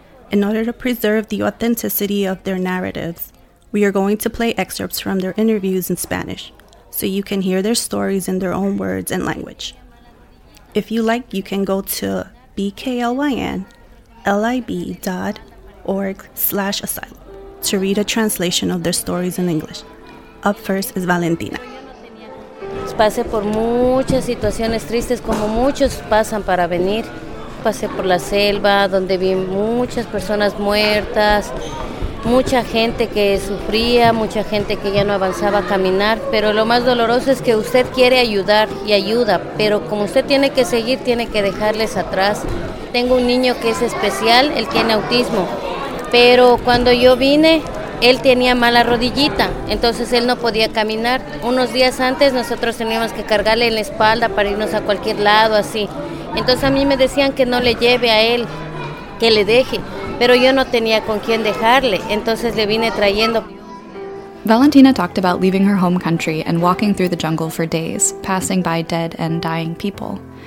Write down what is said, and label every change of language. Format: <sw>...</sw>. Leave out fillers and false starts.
<en>In order to preserve the authenticity of their narratives, we are going to play excerpts from their interviews in Spanish, so you can hear their stories in their own words and language. If you like, you can go to bklynlib.org/asylum. To read a translation of their stories in English. Up first is Valentina.</en> <es>Pasé por muchas situaciones tristes como muchos pasan para venir. pasé por la selva, donde vi muchas personas muertas, mucha gente que sufría, mucha gente que ya no avanzaba a caminar. Pero lo más doloroso es que usted quiere ayudar y ayuda, pero como usted tiene que seguir, tiene que dejarles atrás. Tengo un niño que es especial, él tiene autismo, pero cuando yo vine, él tenía mala rodillita, entonces él no podía caminar. Unos días antes nosotros teníamos que cargarle en la espalda para irnos a cualquier lado, así. Entonces a mí me decían que no le lleve a él, que le deje, pero yo no tenía con quién dejarle, entonces le vine trayendo.</es> <en>Valentina talked about leaving her home country and walking through the jungle for days, passing by dead and dying people.</en>